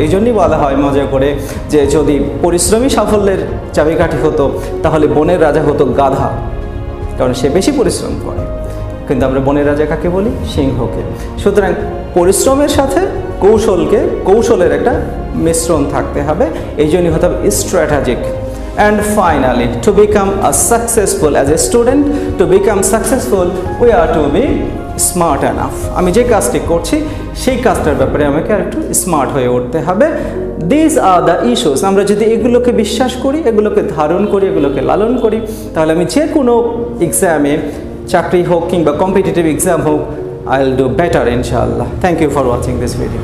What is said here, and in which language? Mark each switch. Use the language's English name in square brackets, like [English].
[Bangla] এই জন্যই বলা হয় মজা করে যে যদি পরিশ্রমই সাফল্যের চাবিকাঠি হতো তাহলে বনের রাজা হতো গাধা, কারণ সে বেশি পরিশ্রম করে। কিন্তু আমরা বনের রাজা কাকে বলি? সিংহকে। সুতরাং পরিশ্রমের সাথে কৌশলকে, কৌশলের একটা মিশ্রণ থাকতে হবে, এই জন্যই হতে হবে স্ট্র্যাটাজিক। [English] And finally, to become a successful as a student, to become successful, we are to be smart enough. [Bangla] আমি যে কাজটি করছি সেই কাজটার ব্যাপারে আমাকে আরেকটু স্মার্ট হয়ে উঠতে হবে। [English] These are the issues. [Bangla] আমরা যদি এগুলোকে বিশ্বাস করি, এগুলোকে ধারণ করি, এগুলোকে লালন করি, তাহলে আমি যে কোনো এক্সামে, চাকরি হোক কিংবা কম্পিটিটিভ এক্সাম হোক, [English] I will do better [Bangla] ইনশাআল্লাহ। [English] Thank you for watching this video.